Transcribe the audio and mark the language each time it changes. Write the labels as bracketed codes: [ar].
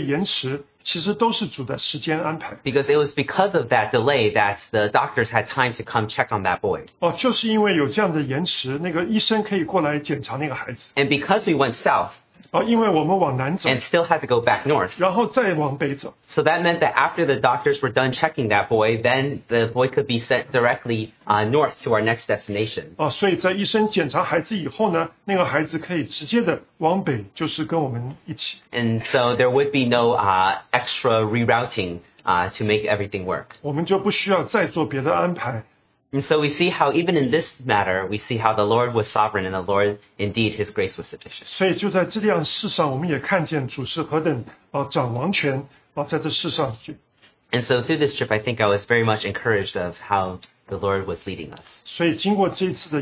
[zh] 我们发觉这个前一天不能去以弗所跟后来被延迟，其实都是主的时间安排。 [en] Because it was because of that delay that the doctors had time to come check on that boy. [zh] 就是因为有这样的延迟，那个医生可以过来检查那个孩子。 [en] And because we went south, [zh] 因为我们往南走, [en] and still had to go back north. So that meant that after the doctors were done checking that boy, then the boy could be sent directly north to our next destination. [zh] 所以在医生检查孩子以后呢，那个孩子可以直接的往北，就是跟我们一起。 [en] And so there would be no extra rerouting to make everything work. [zh] 我们就不需要再做别的安排。 [en] And so we see how even in this matter, we see how the Lord was sovereign and the Lord, indeed, His grace was sufficient. And so through this trip, I think I was very much encouraged of how the Lord was leading us.